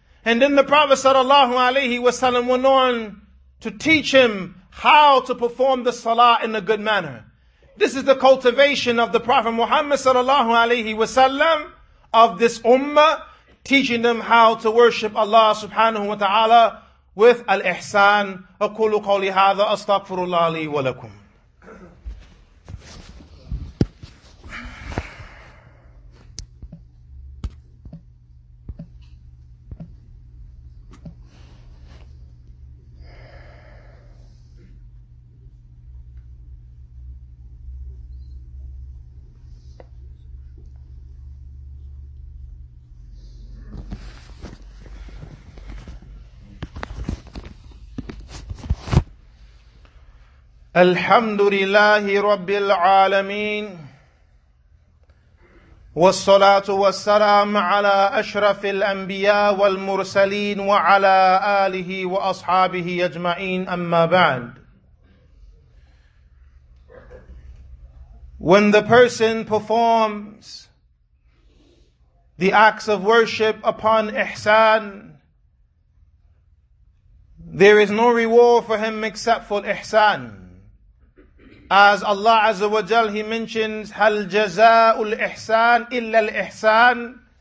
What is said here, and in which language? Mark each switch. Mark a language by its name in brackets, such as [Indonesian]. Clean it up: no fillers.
[English] And then the Prophet sallallahu alayhi wa sallam went on to teach him how to perform the salah in a good manner. This is the cultivation of the Prophet Muhammad sallallahu alayhi wa sallam of this ummah, teaching them how to worship Allah subhanahu wa ta'ala with al-ihsan. [Arabic] أقول قولي هذا أستغفر الله لي ولكم. الحمد لله رب العالمين والصلاة والسلام على أشرف الأنبياء والمرسلين وعلى آله وأصحابه أجمعين أما بعد. [English] When the person performs the acts of worship upon ihsan, there is no reward for him except for ihsan. As Allah Azza wa Jal, He mentions, [Arabic] هَلْ جَزَاءُ الْإِحْسَانِ إِلَّا الْإِحْسَانِ.